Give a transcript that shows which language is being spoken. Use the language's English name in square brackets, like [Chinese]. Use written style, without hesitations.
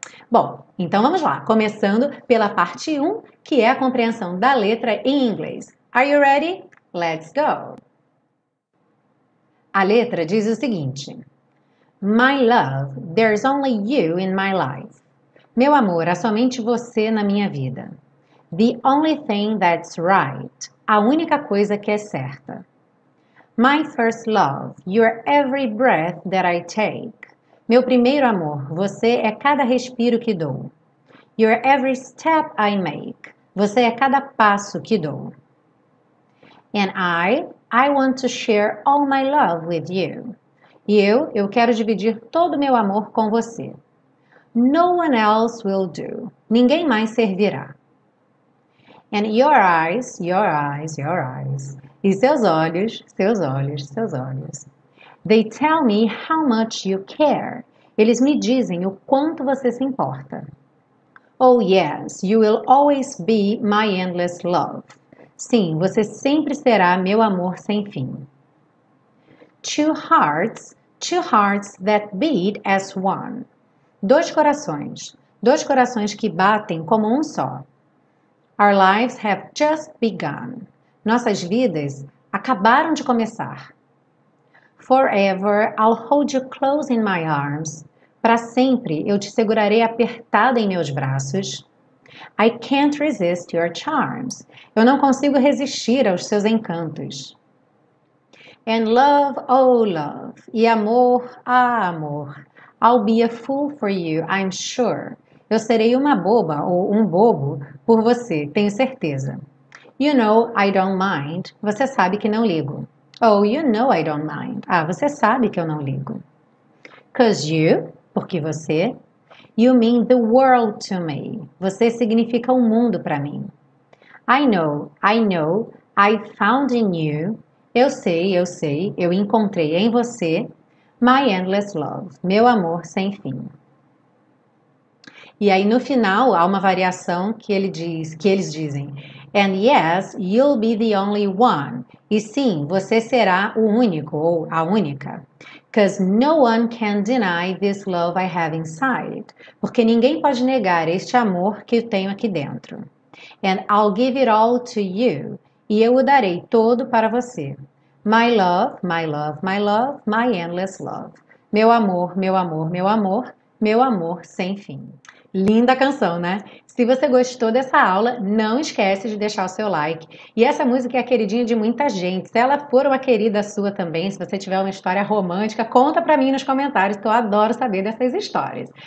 [Portuguese] Bom, então vamos lá, começando pela parte 1, que é a compreensão da letra em inglês. [English] Are you ready? Let's go! [Portuguese] A letra diz o seguinte: [English] My love, there's only you in my life. [Portuguese] Meu amor, há somente você na minha vida. [English] The only thing that's right. [Portuguese] A única coisa que é certa. [English] My first love, you're every breath that I take. [Portuguese] Meu primeiro amor, você é cada respiro que dou. [English] You're every step I make. [Portuguese] Você é cada passo que dou. [English] And I want to share all my love with you. [Portuguese] E eu quero dividir todo o meu amor com você. [English] No one else will do. [Portuguese] Ninguém mais servirá. [English] And your eyes, your eyes, your eyes. [Portuguese] E seus olhos, seus olhos, seus olhos. [English] They tell me how much you care. [Portuguese] Eles me dizem o quanto você se importa. [English] Oh yes, you will always be my endless love. [Portuguese] Sim, você sempre será meu amor sem fim. [English] Two hearts that beat as one. [Portuguese] Dois corações que batem como um só. [English] Our lives have just begun. [Portuguese] Nossas vidas acabaram de começar. [English] Forever, I'll hold you close in my arms. [Portuguese] Para sempre, eu te segurarei apertada em meus braços. [English] I can't resist your charms. [Portuguese] Eu não consigo resistir aos seus encantos. [English] And love, oh love. [Portuguese] E amor, ah amor. [English] I'll be a fool for you, I'm sure. [Portuguese] Eu serei uma boba ou um bobo por você, tenho certeza. [English] You know I don't mind. [Portuguese] Você sabe que não ligo. [English] Oh, you know I don't mind. [Portuguese] Ah, você sabe que eu não ligo. [English] 'Cause you, [Portuguese] porque você. [English] You mean the world to me. [Portuguese] Você significa o mundo para mim. [English] I know, I found in you. [Portuguese] Eu sei, eu encontrei em você. [English] My endless love, [Portuguese] meu amor sem fim. E aí no final há uma variação que ele diz, que eles dizem. [English] And yes, you'll be the only one. [Portuguese] E sim, você será o único ou a única. [English] 'Cause no one can deny this love I have inside. [Portuguese] Porque ninguém pode negar este amor que eu tenho aqui dentro. [English] And I'll give it all to you. [Portuguese] E eu o darei todo para você. [English] My love, my love, my love, my endless love. [Portuguese] Meu amor, meu amor, meu amor, meu amor sem fim. Linda canção, né? Se você gostou dessa aula, não esquece de deixar o seu like. E essa música é a queridinha de muita gente. Se ela for uma querida sua também, se você tiver uma história romântica, conta pra mim nos comentários, que eu adoro saber dessas histórias.